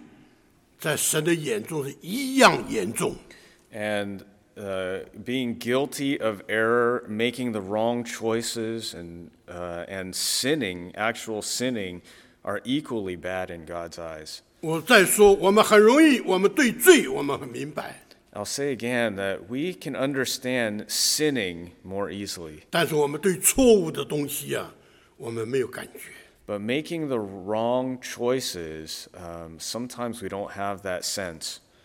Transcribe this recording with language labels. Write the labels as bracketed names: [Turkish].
[Chinese] 这个犯错误跟犯罪在神的眼中是一样严重。 [English] And being guilty of error, making the wrong choices, and sinning, actual sinning, are equally bad in God's eyes. [Chinese] 我再说,我们很容易,我们对罪,我们很明白。 [English] I'll say again that we can understand sinning more easily. [Chinese] 但是我们对错误的东西啊,我们没有感觉。 [English] But making the wrong choices, sometimes we don't have that sense.